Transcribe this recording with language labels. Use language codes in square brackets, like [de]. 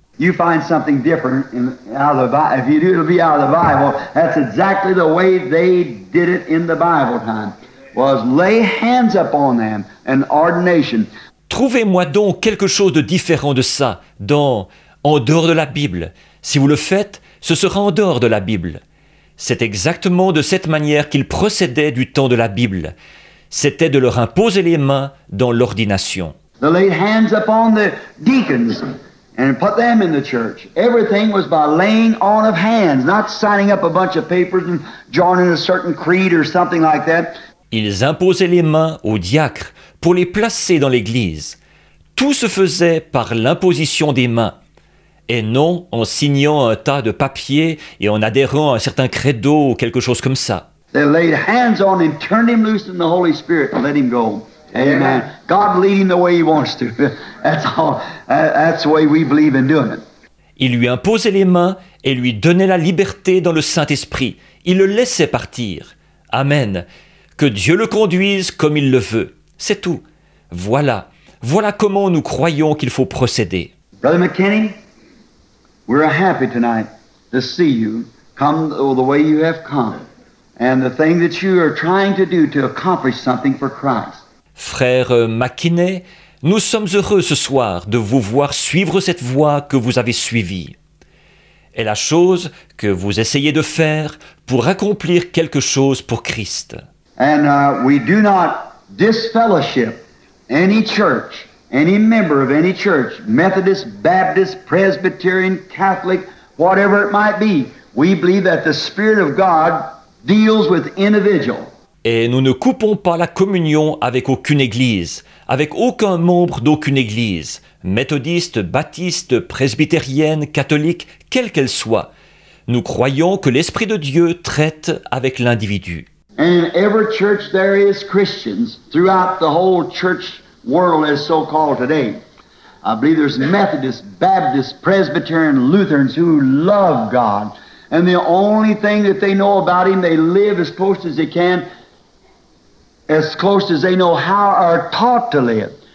[en] You find something different in out of the Bible. If you do, it'll be out of the Bible. That's exactly the way they did it in the Bible time. Was lay hands upon them an ordination. [fr] Trouvez-moi donc quelque chose de différent de ça en dehors de la Bible. Si vous le faites, ce sera en dehors de la Bible. C'est exactement de cette manière qu'ils procédaient du temps de la Bible. C'était de leur imposer les mains dans l'ordination. [en] They laid hands upon the deacons. and put them in the church. Everything was by laying on of hands, not signing up a bunch of papers and joining a certain creed or something like that. [fr] Ils imposaient les mains aux diacres pour les placer dans l'église. Tout se faisait par l'imposition des mains, et non en signant un tas de papiers et en adhérant à un certain credo ou quelque chose comme ça. [en] They laid hands on him, turned him loose in the Holy Spirit, and let him go. Amen. God lead him the way he wants to. That's all. That's the way we believe in doing it. [fr] Il lui imposait les mains et lui donnait la liberté dans le Saint-Esprit. Il le laissait partir. Amen. Que Dieu le conduise comme il le veut. C'est tout. Voilà. Voilà comment nous croyons qu'il faut procéder. [en] Brother McKinney, we're happy tonight to see you come the way you have come. And the thing that you are trying to do to accomplish something for Christ. [fr] Frère McKinney, nous sommes heureux ce soir de vous voir suivre cette voie que vous avez suivie. Et la chose que vous essayez de faire pour accomplir quelque chose pour Christ. [en] And we do not disfellowship any church, any member of any church, Methodist, Baptist, Presbyterian, Catholic, whatever it might be. We believe that the Spirit of God deals with individuals. [fr] Et nous ne coupons pas la communion avec aucune église, avec aucun membre d'aucune église, méthodiste, baptiste, presbytérienne, catholique, quelle qu'elle soit. Nous croyons que l'Esprit de Dieu traite avec l'individu. [en] And in every church there is Christians throughout the whole church world as so called today. I believe there's Methodists, Baptists, Presbyterians, Lutherans who love God. And the only thing that they know about him, they live as close as they can, as close as they know how are taught to live.